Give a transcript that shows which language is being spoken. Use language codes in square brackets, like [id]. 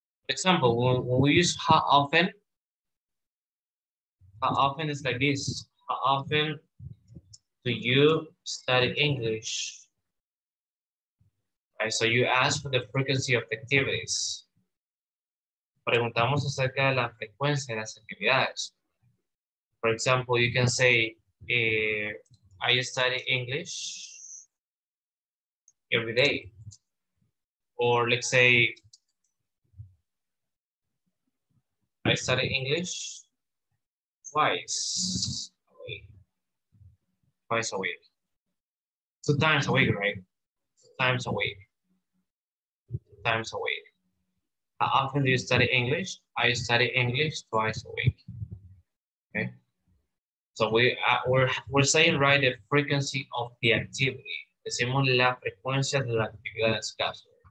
[en] Example, when we use how often is like this. How often do do you study English? Right, so you ask for the frequency of the activities. [es] Preguntamos acerca de la frecuencia de las actividades. [en] For example, you can say, I study English every day. Or let's say, I study English twice a week. Two times a week. How often do you study English? I study English twice a week. Okay. So we're saying, right, the frequency of the activity. [es] Decimos la frecuencia de la actividad en este caso.